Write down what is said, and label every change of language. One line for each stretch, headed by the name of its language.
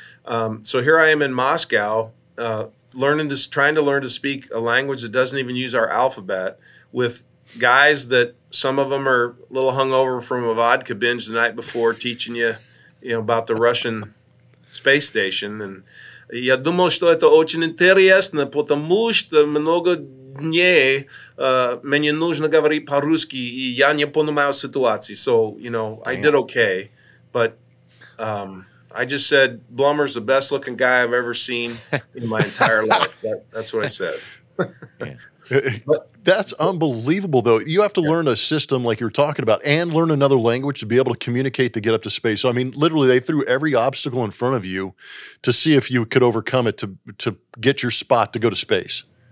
English: So here I am in Moscow, trying to learn to speak a language that doesn't even use our alphabet, with guys that some of them are a little hungover from a vodka binge the night before, teaching you, you know, about the Russian space station. And
Russian: я думал, что это очень интересно, потому что много дней мне нужно говорить по-русски, и я не понимаю ситуации.
English: So, you know, I did okay, but I just said, Blummer's the best looking guy I've ever seen in my entire life. That's what I said. That's unbelievable, though. You have to learn a system like you're talking about and learn another language to be able to communicate to get up to space. So, I mean, literally, they threw every obstacle in front of you to see if you could overcome it to get your spot to go to space.